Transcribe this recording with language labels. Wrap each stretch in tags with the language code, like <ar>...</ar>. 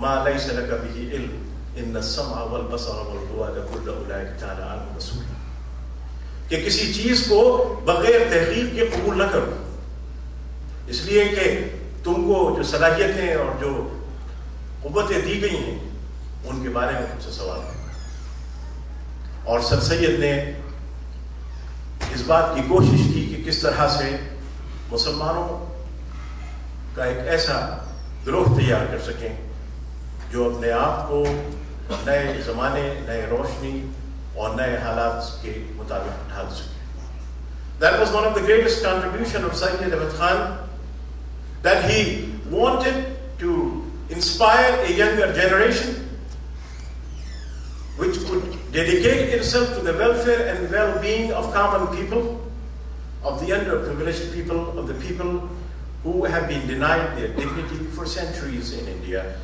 <ar>ما ليس لك به علم ان السمع والبصر والفؤاد كل اولئك كان عنه مسؤولا.</ar> <ur>کہ کسی چیز کو بغیر تحقیق کے قبول نہ کرو, اس لیے کہ تم کو جو صلاحیتیں اور جو قوتیں دی گئی ہیں ان کے بارے میں تم سے سوال ہے. اور سر سید نے اس بات کی کوشش کی کہ کس طرح سے مسلمانوں کا ایک ایسا گروہ تیار کر سکیں جو اپنے آپ کو نئے زمانے, نئے روشنی اور نئے حالات کے مطابق ڈھال سکے.</ur> <en>That was one of the greatest contribution of Syed Ahmed Khan, that he wanted to inspire a younger generation which could dedicate itself to the welfare and well-being of common people, of the underprivileged people, of the people who have been denied their dignity for centuries in India.</en>